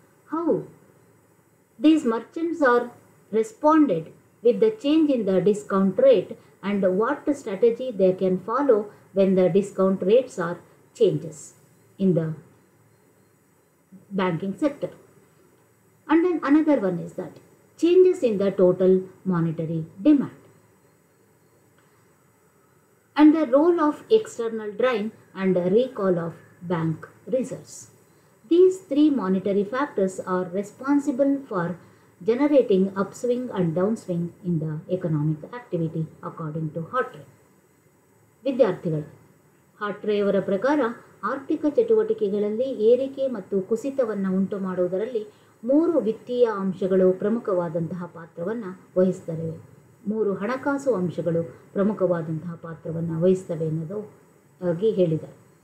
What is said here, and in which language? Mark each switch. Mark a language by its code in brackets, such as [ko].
[en] How these merchants are responded with the change in the discount rate and what strategy they can follow when the discount rates are changes in the banking sector. And then another one is that changes in the total monetary demand and the role of external drain and recall of bank reserves. These 3 monetary factors are responsible for generating upswing and downswing in the economic activity according to Hartree. [kn] ವಿದ್ಯಾರ್ಥಿಗಳು, ಹಾರ್ಟ್ರೇಯವರ ಪ್ರಕಾರ ಆರ್ಥಿಕ ಚಟುವಟಿಕೆಗಳಲ್ಲಿ ಏರಿಕೆ ಮತ್ತು ಕುಸಿತವನ್ನು ಉಂಟು ಮಾಡುವುದರಲ್ಲಿ 3 ವಿತ್ತೀಯ ಅಂಶಗಳು ಪ್ರಮುಖವಾದಂತಹ ಪಾತ್ರವನ್ನು ವಹಿಸುತ್ತವೆ. 3 ಹಣಕಾಸು ಅಂಶಗಳು ಪ್ರಮುಖವಾದಂತಹ ಪಾತ್ರವನ್ನು ವಹಿಸ್ತವೆ ಎನ್ನುವುದು ಆಗಿ ಹೇಳಿದರು.